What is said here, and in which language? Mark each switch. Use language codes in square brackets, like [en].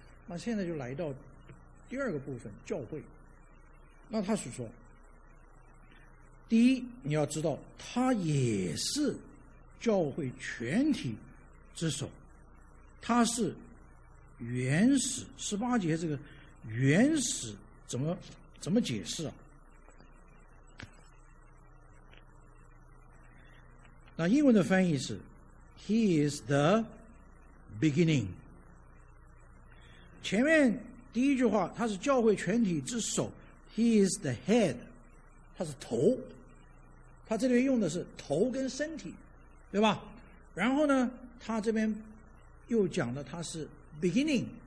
[zh] 那现在就来到第二个部分，教会。那他是说，第一，你要知道他也是教会全体之首，他是原始。十八节这个原始怎么解释啊？那英文的翻译是 [en] He is the beginning。 [zh] 前面第一句话，他是教会全体之首， [en] He is the head， [zh] 他是头，他这里用的是头跟身体，对吧？然后呢，他这边又讲的他是 beginning。